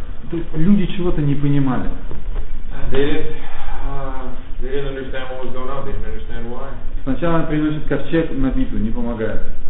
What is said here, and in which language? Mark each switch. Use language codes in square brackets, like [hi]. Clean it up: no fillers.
[ru] То есть люди чего-то не понимали. [en] They didn't understand what was going on, they didn't understand why. [ru] Сначала он приносит ковчег на битву, не помогает.